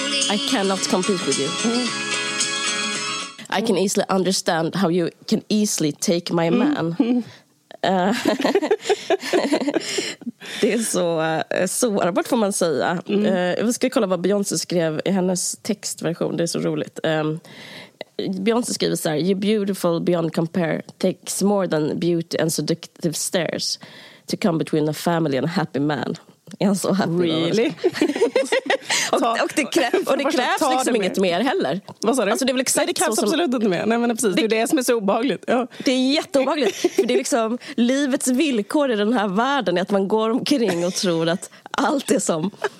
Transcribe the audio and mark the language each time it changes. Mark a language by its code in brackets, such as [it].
[en] I cannot compete with you. I can easily understand how you can easily take my man. [sv] Det är så sårbart får man säga. Jag ska kolla vad Beyoncé skrev i hennes textversion. Det är så roligt. Beyoncé skriver så här: [en] "You're beautiful beyond compare. Takes more than beauty and seductive stares to come between a family and a happy man." [sv] Är han så happy? [en] Really? [sv] och det krävs ta liksom det inget mer heller. Vad sa du? Alltså det är väl exakt nej, det krävs så som... absolut inte mer. Nej, men precis. Det är det som är så obehagligt. Ja. Det är jätteobehagligt. För det är liksom livets villkor i den här världen är att man går omkring och tror att allt är som...